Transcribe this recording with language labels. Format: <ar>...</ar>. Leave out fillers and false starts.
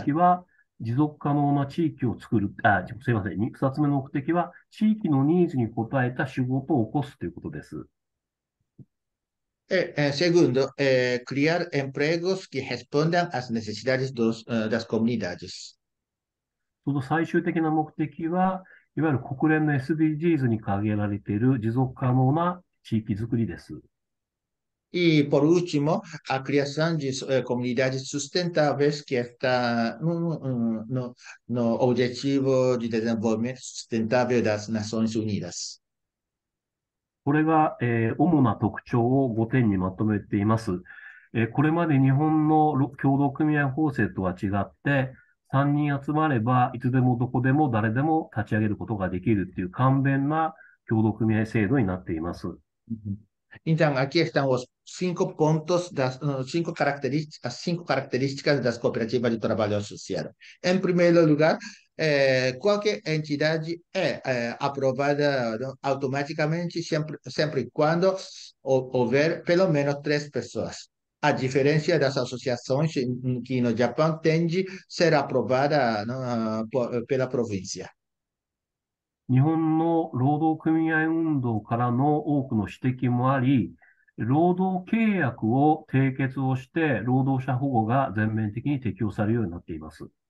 <ja>的は持続可能な地域を作る、あ、すいません。 2つ目の目的は地域のニーズに応えた仕事を起こすということです。</ja> <pt>Segundo, criar empregos que respondam às necessidades das comunidades.</pt> <ja>その最終的な目的は、いわゆる国連の SDGs に掲げられている持続可能な地域づくりです。</ja> <pt>E, por último, a criação de comunidades sustentáveis, que está no objetivo de desenvolvimento sustentável das Nações Unidas.</pt> <ja>これが、主な特徴を5点にまとめています。これまで日本の協同組合法制とは違って、3人集まれば、いつでもどこでも誰でも立ち上げることができるという簡便な協同組合制度になっています。</ja> <pt>Então, aqui estão os cinco pontos, das, cinco características, as cinco características das cooperativas de trabalho social. Em primeiro lugar, qualquer entidade é aprovada automaticamente sempre quando houver pelo menos três pessoas. A diferença das associações que no Japão tende ser aprovada pela província.</pt> <ja>日本の労働組合運動からの多くの指摘もあり、労働契約を締結をして、労働者保護が全面的に適用されるようになっています。</ja>